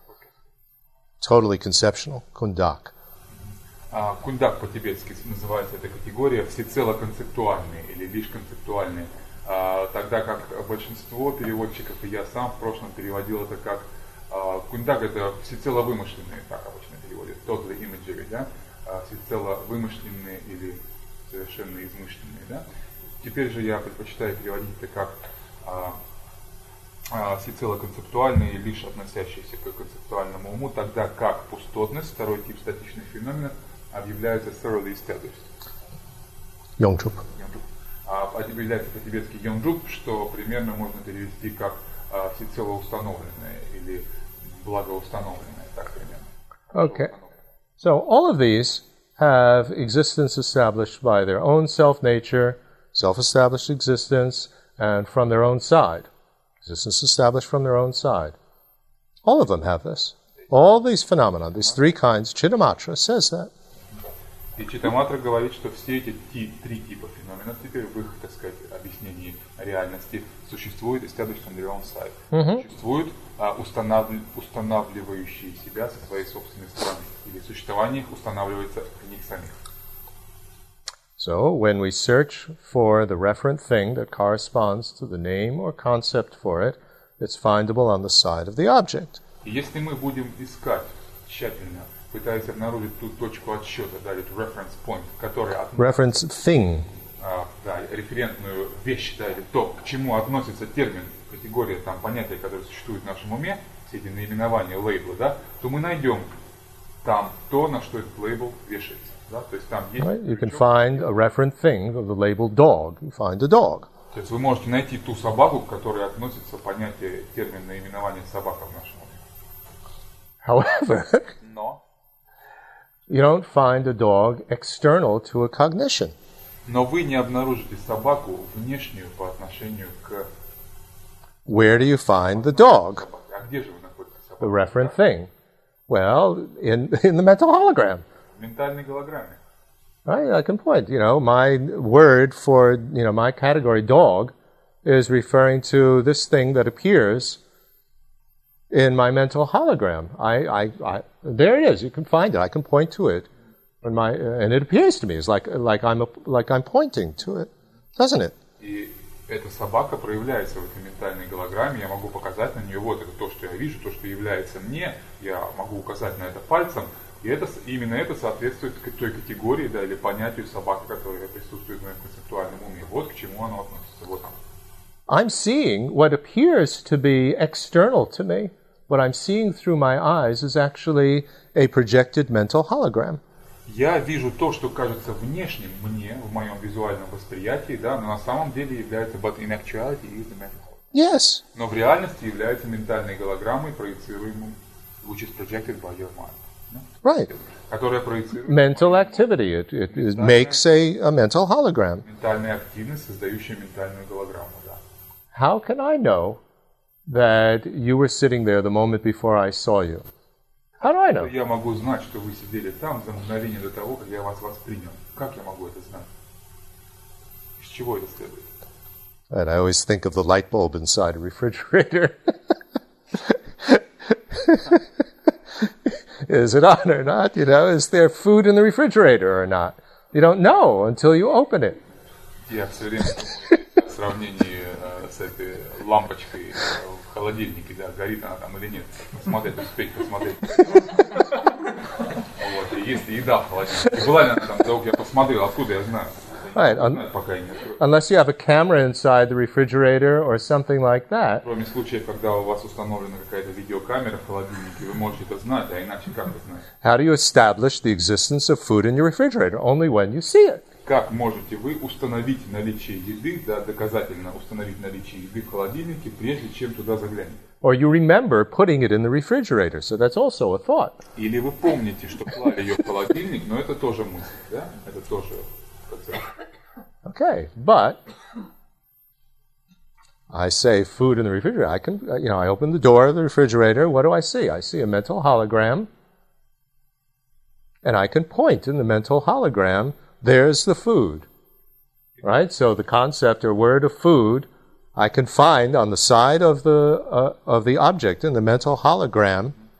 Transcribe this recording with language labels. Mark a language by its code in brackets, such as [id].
[en] Okay. Totally conceptual, кундак. [ru] Кундак по-тибетски называется эта категория, всецело концептуальные или лишь концептуальные, тогда как большинство переводчиков, и я сам в прошлом переводил это как кундак, это всецело вымышленные, так обычно переводят, [en] totally imaginary, [ru] да? Всецело вымышленные или совершенно измышленные, да? Теперь же я предпочитаю переводить это как всецело концептуальные, лишь относящиеся к концептуальному уму, тогда как пустотность, второй тип статичных феноменов, объявляется [en] thoroughly established. [bo] Йонгчуп. [ru] Объявляется по-тибетски йонгчуп, что примерно можно перевести как всецело установленное или благоустановленное, так примерно. [en] Okay. So all of these have existence established by their own self-nature, self-established existence, and from their own side. Existence established from their own side. All of them have this. All these phenomena, these three kinds, Читамадра says that. [ru] И Читамадра говорит, что все эти три типа феноменов теперь в их, так сказать, объяснении реальности существуют [en] established from their own side. [ru] Существуют устанавливающие себя со своей собственной стороны. Или существование их устанавливается в них самих. [en] So, when we search for the referent thing that corresponds to the name or concept for it, it's findable on the side of the object. [ru] И если мы будем искать тщательно, пытаясь обнаружить ту точку отсчета, да, или [en] reference point, [ru] который... [en] Reference thing. [ru] Да, референтную вещь, да, или то, к чему относится термин, категория, там, понятие, которое существует в нашем уме, все эти наименования, лейблы, да, то мы найдем... Там то, на что этот лейбл вешается, да? То есть там есть. [en] Right. You can find a referent thing of the label dog. You find a dog. [ru] То есть вы можете найти ту собаку, к которой относится понятие, термин наименование собака в нашем уме. [en] However, [ru] но [en] you don't find a dog external to a cognition. [ru] Но вы не обнаружите собаку внешнюю по отношению к. [en] Where do you find the dog? [ru] А где же вы находите собаку? [en] The referent thing. Well, in the mental hologram. [ru] Ментальной голограмме. [en] Right, I can point. You know, my word for, you know, my category dog is referring to this thing that appears in my mental hologram. I there it is. You can find it. I can point to it, and it appears to me. It's like I'm pointing to it, doesn't it? [ru] И эта собака проявляется в этой ментальной голограмме. Я могу показать на нее вот это то, что я вижу, то, что является мне. Я могу указать на это пальцем, и это, именно это соответствует той категории, да, или понятию собака, которая присутствует в моем концептуальном уме. Вот к чему оно относится. Вот оно. [en] I'm seeing what appears to be external to me. What I'm seeing through my eyes is actually a projected mental hologram. [ru] Я вижу то, что кажется внешним мне в моем визуальном восприятии, да, но на самом деле является [en] but in actuality is a mental hologram. Yes. [ru] Но в реальности является ментальной голограммой, проецируемым. [en] Which is projected by your mind. No? Right. Mental activity. It makes a mental hologram. [ru] Ментальная активность, создающая ментальную голограмму, да. [en] How can I know that you were sitting there the moment before I saw you? How do I know? [ru] Я могу знать, что вы сидели там за мгновение до того, как я вас воспринял. Как я могу это знать? Из чего это следует? [en] And I always think of the light bulb inside a refrigerator. Is it on or not? You know, is there food in the refrigerator or not? You don't know until you open it. [ru] Я все время в сравнении с этой лампочкой в холодильнике, да, горит она там или нет. Посмотреть, успеть посмотреть. Вот, и есть ли еда в холодильнике. Была ли она там, вдруг я посмотрел, откуда я знаю. [en] Right. Unless you have a camera inside the refrigerator or something like that. [ru] Кроме случая, когда у вас установлена какая-то видеокамера в холодильнике, вы можете это знать, а иначе как вы знаете? [en] How do you establish the existence of food in your refrigerator? Only when you see it. [ru] Как можете вы установить наличие еды, да, доказательно установить наличие еды в холодильнике, прежде чем туда заглянете? [en] Or you remember putting it in the refrigerator, so that's also a thought. [ru] Или вы помните, что клали ее в холодильник, но это тоже мысль, да? Это тоже. [en] Okay, but I say food in the refrigerator. I can, you know, I open the door of the refrigerator. What do I see? I see a mental hologram, and I can point in the mental hologram. There's the food, right? So the concept or word of food, I can find on the side of the object in the mental hologram.